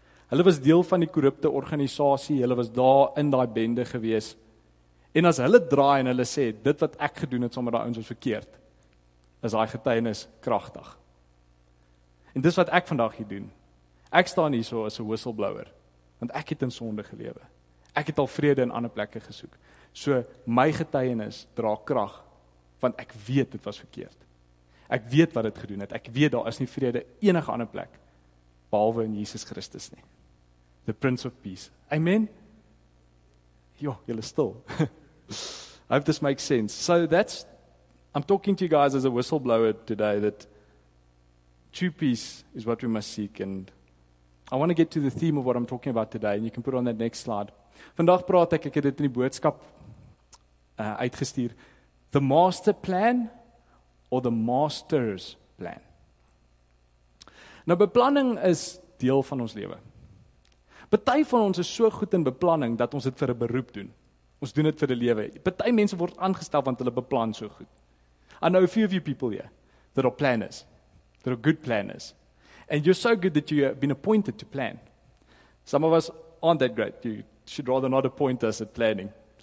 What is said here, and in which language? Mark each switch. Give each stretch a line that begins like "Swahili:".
Afrikaans: Hulle was deel van die korrupte organisasie, hulle was daar in daai bende gewees, en as hulle draai en hulle sê, dit wat ek gedoen het sommer daai ouens was verkeerd, is daai getuienis kragtig. En dis wat ek vandag hier doen. Ek staan hier so as 'n whistleblower, want ek het in sonde gelewe. Ek het al vrede in ander plekke gesoek. So my getuienis dra krag, want ek weet dit was verkeerd. Ek weet wat dit gedoen het. Ek weet daar is nie vrede enige ander plek behalwe in Jesus Christus nie.
English: The Prince of Peace. Amen.
Afrikaans: Jo, julle stil.
English: I hope this makes sense. So that's, I'm talking to you guys as a whistleblower today, that true peace is what we must seek. And I want to get to the theme of what I'm talking about today, and you can put on that next slide.
Afrikaans: Vandag praat ek, ek het dit in die boodskap uitgestuur,
English: the master plan or the master's plan.
Afrikaans: Nou, beplanning is deel van ons lewe. Party van ons is so goed in beplanning dat ons dit vir 'n beroep doen. Ons doen dit vir 'n lewe. Party mense word aangestel want hulle beplan so goed.
English: I know a few of you people here that are planners, that are good planners. And you're so good that you've been appointed to plan. Some of us aren't that great. You should rather not appoint us at planning.